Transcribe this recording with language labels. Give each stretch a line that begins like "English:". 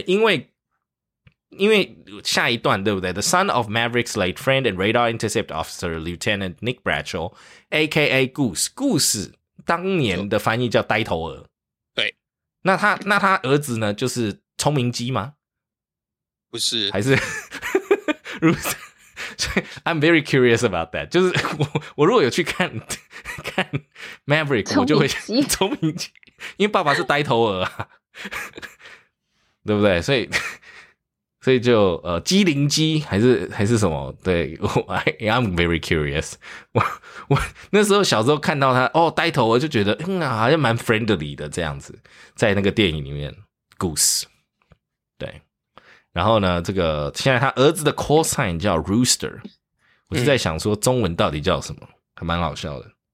Chinese: 因为下一段对不对
English: ？The son of Maverick's late friend and radar intercept officer Lieutenant Nick Bradshaw, A.K.A.
Chinese: Goose. 当年的翻译叫呆头鹅，对。那他儿子呢？就是聪明鸡吗？不是，还是Rooster。
English: 所以 I'm very curious about that。
Chinese: 就是我如果有去看 Maverick， 我就会聪明鸡，因为爸爸是呆头鹅、啊，对不对？所以所以就机灵机还是什么？
English: 对 ，I'm very curious 我。
Chinese: 我那时候小时候看到他哦，呆头，我就觉得嗯啊，好像蛮 friendly 的这样子，在那个电影里面 ，Goose。对，然后呢，这个现在他儿子的 call sign 叫 Rooster， 我是在想说中文到底叫什么，还蛮好笑的。